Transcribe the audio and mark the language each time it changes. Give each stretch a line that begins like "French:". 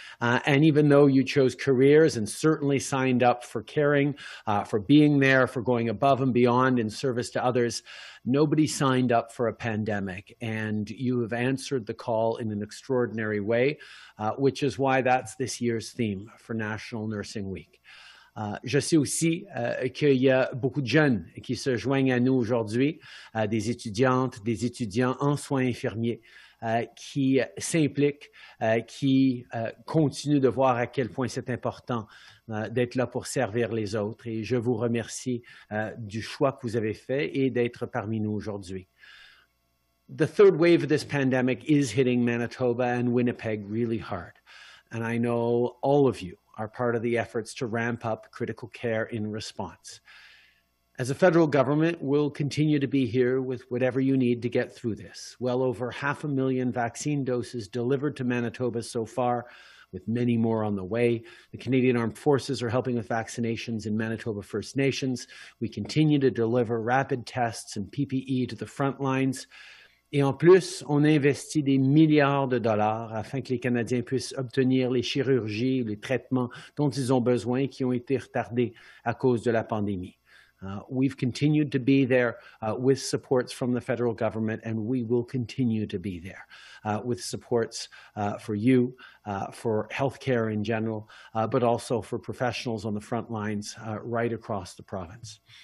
English: And even though you chose careers and certainly signed up for caring, for being there, for going above and beyond in service to others, nobody signed up for a pandemic. And you have answered the call in an extraordinary way, which is why that's this year's theme for National Nursing Week.
French: Je sais aussi qu'il y a beaucoup de jeunes qui se joignent à nous aujourd'hui, des étudiantes, des étudiants en soins infirmiers, qui s'impliquent, qui continuent de voir à quel point c'est important d'être là pour servir les autres. Et je vous remercie du choix que vous avez fait et d'être parmi nous aujourd'hui.
English: The third wave of this pandemic is hitting Manitoba and Winnipeg really hard. And I know all of you are part of the efforts to ramp up critical care in response. As a federal government, we'll continue to be here with whatever you need to get through this. Well over 500,000 vaccine doses delivered to Manitoba so far, with many more on the way. The Canadian Armed Forces are helping with vaccinations in Manitoba First Nations. We continue to deliver rapid tests and PPE to the front lines.
French: Et en plus, on investit des milliards de dollars afin que les Canadiens puissent obtenir les chirurgies, les traitements dont ils ont besoin et qui ont été retardés à cause de la pandémie.
English: We've continued to be there with supports from the federal government, and we will continue to be there with supports for you, for healthcare in general, but also for professionals on the front lines right across the province.